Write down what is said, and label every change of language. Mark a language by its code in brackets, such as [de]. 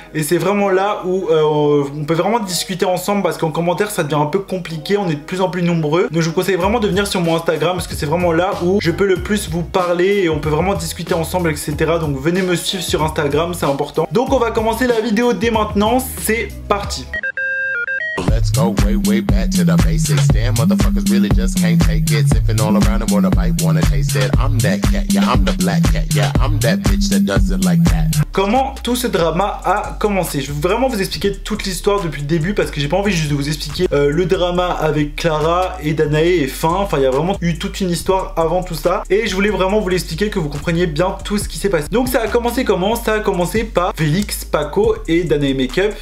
[fr] Et c'est vraiment là où on peut vraiment discuter ensemble. Parce qu'en commentaire, ça devient un peu compliqué. On est de plus en plus nombreux. Donc je vous conseille vraiment de venir sur mon Instagram. Parce que c'est vraiment là où je peux le plus vous parler. Et on peut vraiment discuter ensemble, etc. Donc venez me suivre sur Instagram, c'est important. Donc on va commencer la vidéo dès maintenant. C'est parti. [en] Let's go way, way back to the basics. Damn, motherfuckers really just can't take it. Sipping all around and want a bite, want to taste it. I'm that cat, yeah, I'm the black cat. Yeah, I'm that bitch that does it like that. [fr] Comment tout ce drama a commencé? Je veux vraiment vous expliquer toute l'histoire depuis le début parce que j'ai pas envie juste de vous expliquer le drama avec Clara et Danae et fin. Enfin, il y a vraiment eu toute une histoire avant tout ça. Et je voulais vraiment vous l'expliquer, que vous compreniez bien tout ce qui s'est passé. Donc, ça a commencé comment? Ça a commencé par Félix, Paco et Danae Makeup.